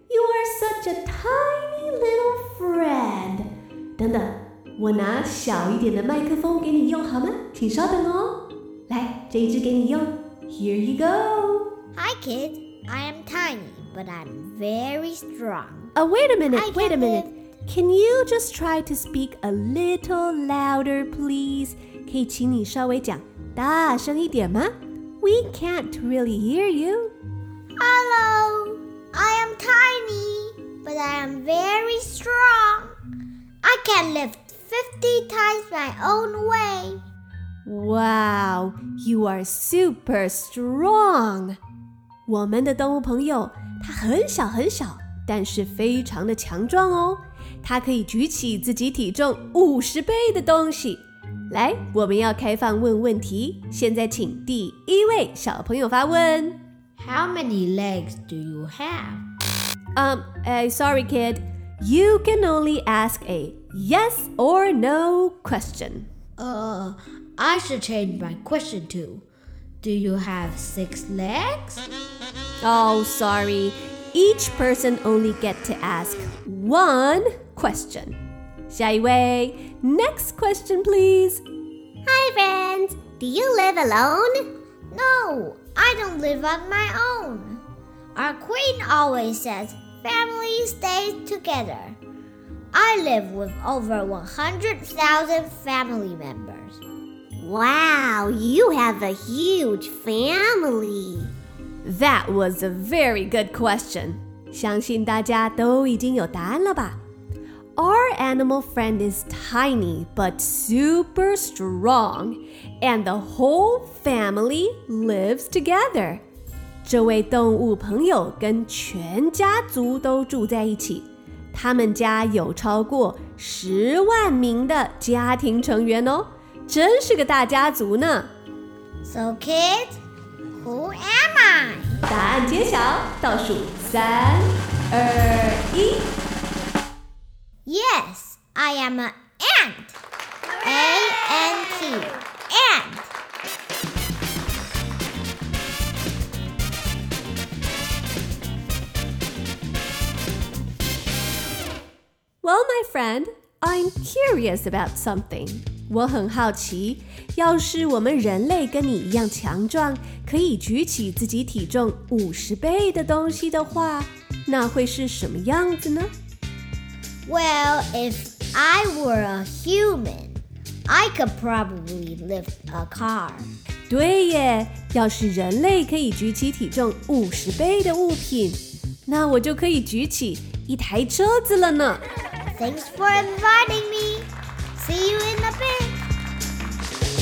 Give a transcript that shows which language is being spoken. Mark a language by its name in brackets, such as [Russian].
[English] You are such a tiny little friend. [Chinese] 等等，我拿小一点的麦克风给你用好吗？请稍等哦。来，这一只给你用。 [English] Here you go. Hi, kids. I am tiny, but I'm very strong. Wait a minute. Can you just try to speak a little louder, please? [Chinese] 可以请你稍微讲大声一点吗? [English] We can't really hear you. Hello, I am tiny, but I am very strong. I can lift 50 times my own weight. Wow, you are super strong. [Chinese] 我们的动物朋友他很小很小但是非常的强壮哦他可以举起自己体重50倍的东西来我们要开放问问题现在请第一位小朋友发问 [English] How many legs do you have? Sorry kid You can only ask a yes or no question I should change my question to Do you have 6 legs? Oh sorryEach person only get to ask one question. [Chinese] 下一位 [English] next question please. Hi friends, do you live alone? No, I don't live on my own. Our queen always says, family stays together. I live with over 100,000 family members. Wow, you have a huge family. That was a very good question. [Chinese] 相信大家都已经有答案了吧? [English] Our animal friend is tiny but super strong, and the whole family lives together. [Chinese] 这位动物朋友跟全家族都住在一起。他们家有超过100,000的家庭成员哦。真是个大家族呢。 [English] So kids,Who am I? [Chinese] 答案揭晓，倒数三、二、一。 [English] Yes, I am an ant. A-N-T, ant. Well, my friend, I'm curious about something. [Chinese] 我很好奇，要是我们人类跟你一样强壮，可以举起自己体重50倍的东西的话，那会是什么样子呢？ [English] Well, if I were a human, I could probably lift a car. [Chinese] 对耶，要是人类可以举起体重50倍的物品，那我就可以举起一台车子了呢。 [English] Thanks for inviting me. See you in a bit.